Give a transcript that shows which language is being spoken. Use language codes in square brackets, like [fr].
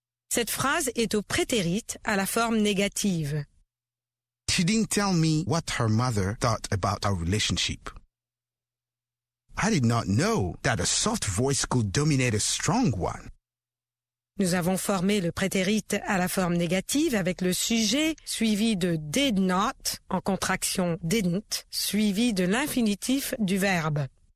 [fr] Cette phrase est au prétérit à la forme négative. [en] She didn't tell me what her mother thought about our relationship. I did not know that a soft voice could dominate a strong one. [fr] Nous avons formé le prétérit à la forme négative avec le sujet suivi de did not en contraction didn't suivi de l'infinitif du verbe.